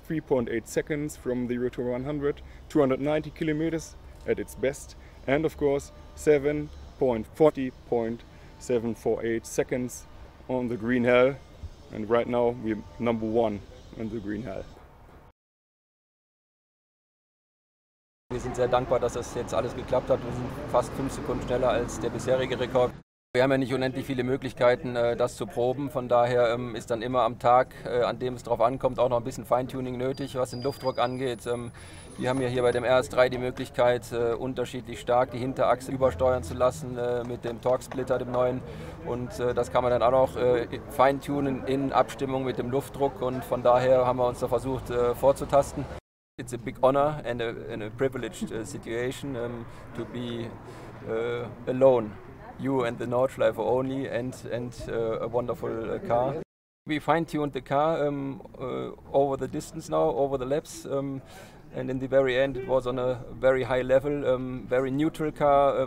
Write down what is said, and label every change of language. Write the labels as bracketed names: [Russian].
[English] 3.8 seconds from 0 to 100, 290 kilometers at its best, and of course 7.40.748 seconds on the green hell, and right now we're number one on the green hell. [German] Wir sind sehr dankbar, dass das jetzt alles geklappt hat. Wir sind fast 5 Sekunden schneller als der bisherige Rekord. Wir haben ja nicht unendlich viele Möglichkeiten, das zu proben. Von daher ist dann immer am Tag, an dem es drauf ankommt, auch noch ein bisschen Feintuning nötig, was den Luftdruck angeht. Wir haben ja hier bei dem RS3 die Möglichkeit, unterschiedlich stark die Hinterachse übersteuern zu lassen mit dem Torque-Splitter, dem neuen. Und das kann man dann auch noch feintunen in Abstimmung mit dem Luftdruck. Und von daher haben wir uns da versucht, vorzutasten. [English] It's a big honor and a privileged situation to be alone, you and the Nordschleife only, and a wonderful car. We fine-tuned the car over the distance now, over the laps, and in the very end it was on a very high level, very neutral car.